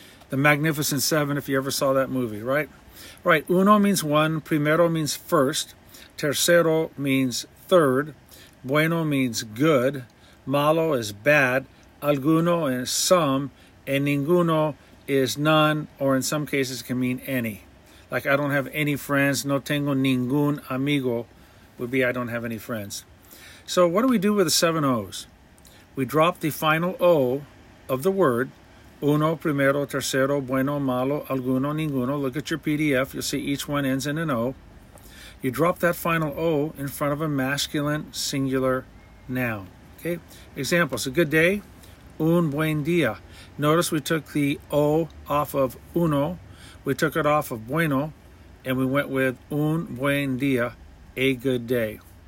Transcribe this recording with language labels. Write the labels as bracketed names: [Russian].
[English] The Magnificent Seven, if you ever saw that movie, right? Right, uno means one, primero means first, tercero means third, bueno means good, malo is bad, alguno is some, and ninguno is none, or in some cases can mean any. Like, I don't have any friends, [Spanish] no tengo ningún amigo, [English] would be I don't have any friends. So what do we do with the seven O's? We drop the final O of the word. [Spanish] Uno, primero, tercero, bueno, malo, alguno, ninguno. [English] Look at your PDF. You'll see each one ends in an O. You drop that final O in front of a masculine singular noun. Okay? Examples. A good day. [Spanish] Un buen día. [English] Notice we took the O off of uno. We took it off of bueno. And we went with [Spanish] un buen día. [English] A good day.